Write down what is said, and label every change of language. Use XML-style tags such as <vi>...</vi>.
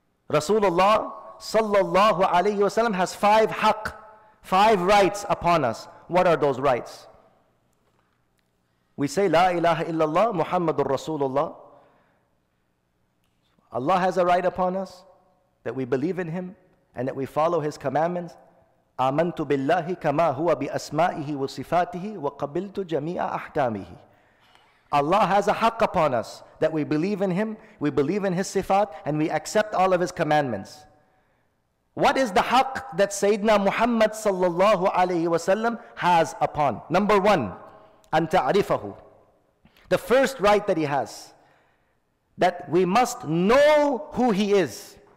<en>Rasulullah sallallahu alayhi wasallam has five haq, five rights upon us. What are those rights? We say, La ilaha illallah, Muhammadur Rasulullah. Allah has a right upon us, that we believe in Him, and that we follow His commandments.</en> <ar>آمنت بالله كما هو بأسمائه وصفاته وقبلت جميع أحكامه.</ar> <en>Allah has a haq upon us, that we believe in Him, we believe in His sifat, and we accept all of His commandments. What is the haq that Sayyidina Muhammad sallallahu alayhi wasallam has upon? Number one,</en> <ar>أن تعرفه.</ar> <en>The first right that he has, that we must know who he is.</en>